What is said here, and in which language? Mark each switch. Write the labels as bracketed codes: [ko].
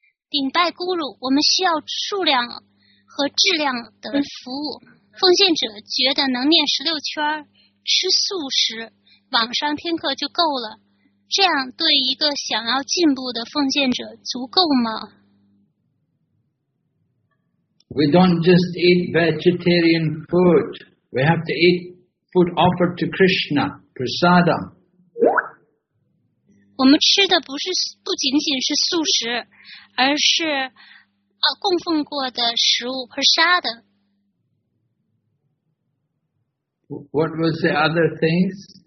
[zh] 顶拜咕噜，我们需要数量和质量的服务。奉献者觉得能念十六圈吃素食网上听课就够了，这样对一个想要进步的奉献者足够吗？ [en] We don't just eat vegetarian food. We have to eat food offered to Krishna, prasada. [zh] 我们吃的不仅仅是素食，而是供奉过的食物 prasada。 [en] What was the other things?